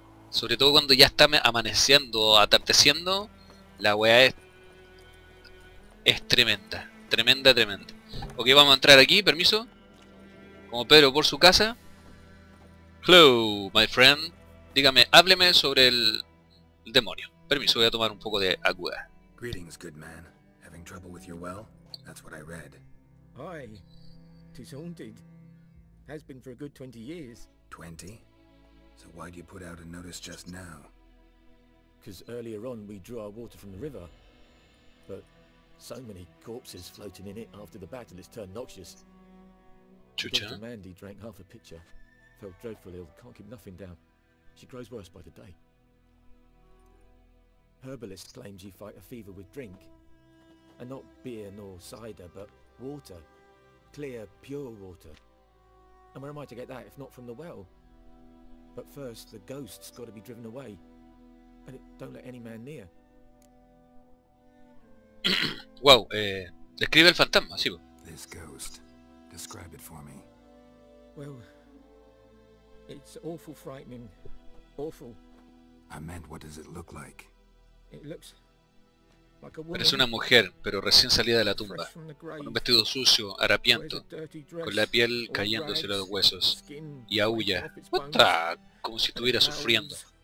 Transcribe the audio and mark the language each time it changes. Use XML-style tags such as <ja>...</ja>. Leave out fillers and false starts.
<es>Sobre todo cuando ya está amaneciendo, atardeciendo, la weá es tremenda, tremenda, tremenda. Ok, vamos a entrar aquí, permiso. Como Pedro por su casa.</es> <en>Hello, my friend.</en> <es>Dígame, hábleme sobre el demonio. Permiso, voy a tomar un poco de agua.</es> <en>Greetings, good man. Having trouble with your well? That's what I read. Ay, tis haunted. Has been for a good 20 years. 20? So why do you put out a notice just now? Because earlier on we drew our water from the river. But so many corpses floating in it after the battle has turned noxious.</en> <es>Chucha.</es> <en>Dr. Mandy drank half a pitcher. Felt dreadful ill. Can't keep nothing down. She grows worse by the day. Herbalist claims you fight a fever with drink. And not beer nor cider, but water. Clear, pure water. And where am I to get that if not from the well? But first, the ghost's got to be driven away. And it don't let any man near.</en> <es>Wow, describe el fantasma, sí.</es> <en>This ghost, describe it for me. Well, it's awful frightening. Awful. I meant, what does it look like? It looks like a woman.</en> <es>Parece una mujer, pero recién salida de la tumba. Con un vestido sucio, harapiento. Con la piel cayéndose de los huesos. Y aúlla.</es> <en>What the...</en> <es>Como si estuviera sufriendo.</es>